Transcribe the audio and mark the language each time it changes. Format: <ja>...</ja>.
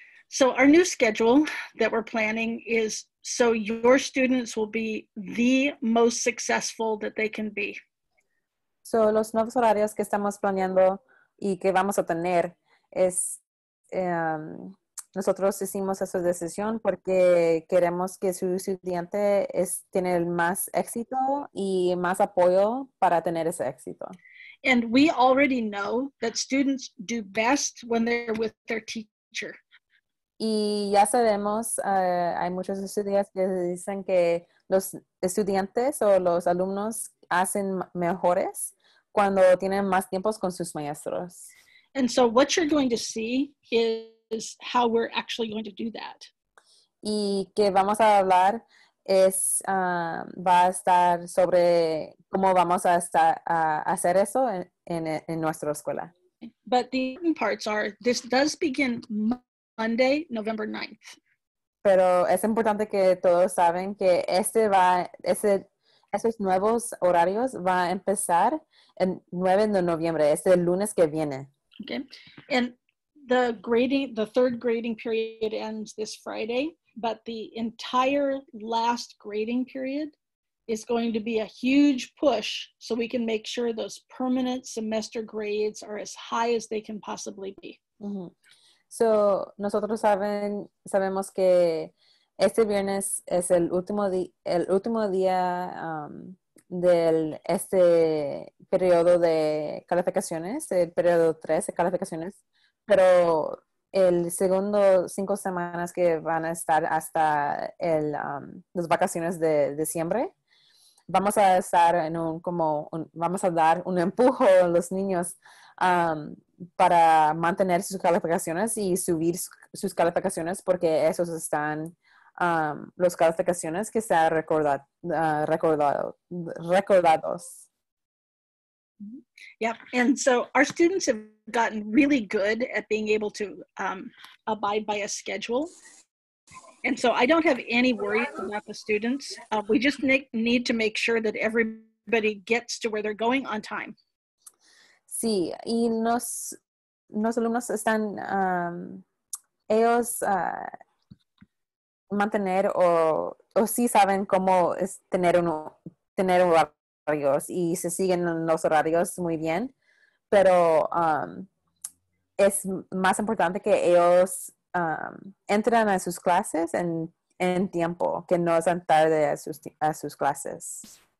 <en>So our new schedule that we're planning is so your students will be the most successful that they can be.</en> <es>So los nuevos horarios que estamos planeando y que vamos a tener es nosotros hicimos esa decisión porque queremos que su estudiante tiene más éxito y más apoyo para tener ese éxito.</es> <en>And we already know that students do best when they're with their teacher.</en> <es>Y ya sabemos, hay muchos estudiantes que dicen que los estudiantes o los alumnos hacen mejores cuando tienen más tiempos con sus maestros.</es> <en>And so what you're going to see is how we're actually going to do that.</en> <es>Y que vamos a hablar es va a estar sobre cómo vamos a estar a hacer eso en nuestra escuela.</es> <en>But the important parts are this does begin Monday, November 9th.</en> <es>Pero es importante que todos saben que esos nuevos horarios va a empezar el 9 de noviembre, este lunes que viene.</es> <en>Okay. And the third grading period ends this Friday. But the entire last grading period is going to be a huge push so we can make sure those permanent semester grades are as high as they can possibly be. Mm-hmm.</en> <es>So, nosotros sabemos que este viernes es el último día este periodo de calificaciones, el periodo 3 de calificaciones, pero el segundo 5 semanas que van a estar hasta las vacaciones de diciembre, vamos a estar vamos a dar un empujo a los niños para mantener sus calificaciones y subir sus calificaciones porque esos están las calificaciones que se han recordados.</es> <en>Yeah, and so our students have gotten really good at being able to abide by a schedule. And so I don't have any worries about the students. We just need to make sure that everybody gets to where they're going on time.</en> <es>Sí, y los alumnos están, ellos mantener o sí saben cómo es tener un horarios y se siguen los horarios muy bien, pero es más importante que ellos entren a sus clases en tiempo, que no sean tarde a sus clases.</es>